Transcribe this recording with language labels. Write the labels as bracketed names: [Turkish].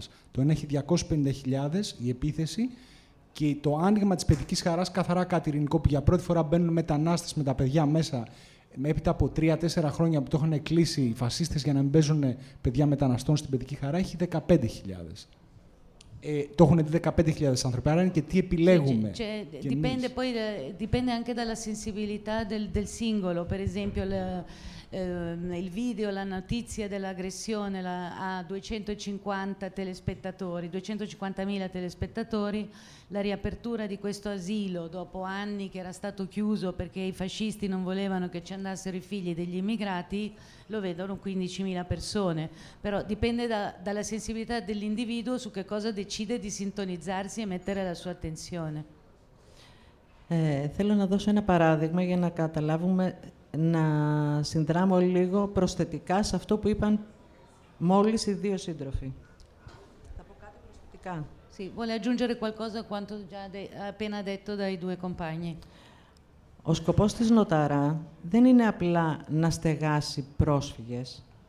[Greek] Το ένα έχει 250.000 η επίθεση και το άνοιγμα της παιδικής χαράς καθαρά κάτι ειρηνικό που για πρώτη φορά μπαίνουν μετανάστες με τα παιδιά μέσα. Έπειτα από 3-4 χρόνια που το είχαν κλείσει οι φασίστες για να μην παίζουν παιδιά μεταναστών στην παιδική χαρά, έχει 15.000. Το έχουν δει 15.000 άνθρωποι. Άρα είναι και τι επιλέγουμε. [Italian] Dipende anche dalla sensibilità del singolo. Per esempio, il video, la notizia dell'aggressione ha 250.000 telespettatori. La riapertura di questo asilo dopo anni che era stato chiuso perché i fascisti non volevano che ci andassero i figli degli immigrati, lo vedono 15.000 persone. Però dipende dalla sensibilità dell'individuo su che cosa decide di sintonizzarsi e mettere la sua attenzione. [Greek] Θέλω να δώσω ένα παράδειγμα για να καταλάβουμε να συνδράμω λίγο προσθετικά σε αυτό που είπαν μόλις οι δύο σύντροφοι. Θα πω κάτι προσθετικά. [Italian] Sì, vuole aggiungere qualcosa a quanto già appena detto dai due compagni. [Greek] Ο σκοπός της Νοταρά δεν είναι απλά να στεγάσει πρόσφυγες.